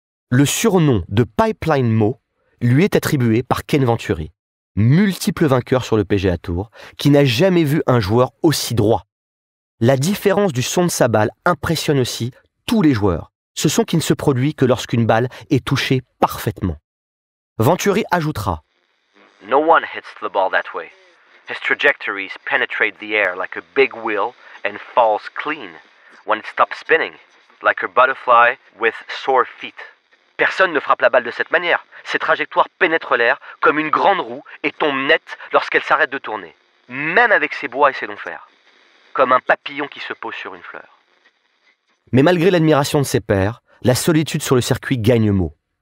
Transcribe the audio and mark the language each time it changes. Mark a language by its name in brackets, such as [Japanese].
[French] Le surnom de Pipeline Mo lui est attribué par Ken Venturi, multiple vainqueur sur le PGA Tour, qui n'a jamais vu un joueur aussi droit. La différence du son de sa balle impressionne aussi tous les joueurs. Ce son qui ne se produit que lorsqu'une balle est touchée parfaitement. Venturi ajoutera: [English] No one hits the ball that way. His trajectories penetrate the air like a big wheel and falls clean when it stops spinning, like a butterfly with sore feet. [French] Personne ne frappe la balle de cette manière. Ses trajectoires pénètrent l'air comme une grande roue et tombent net lorsqu'elle s'arrête de tourner, même avec ses bois et ses longs fers, comme un papillon qui se pose sur une fleur. Mais malgré l'admiration de ses pairs, la solitude sur le circuit gagne mot.